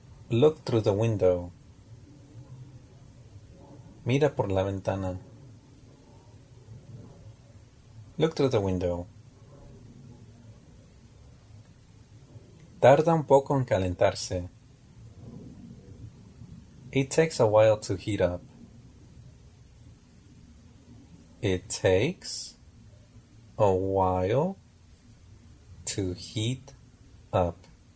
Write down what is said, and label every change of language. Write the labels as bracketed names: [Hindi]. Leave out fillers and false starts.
[English] Look through the window. [Spanish] Mira por la ventana. [English] Look through the window. [Spanish] Tarda un poco en calentarse. [English] It takes a while to heat up. It takes a while to heat up.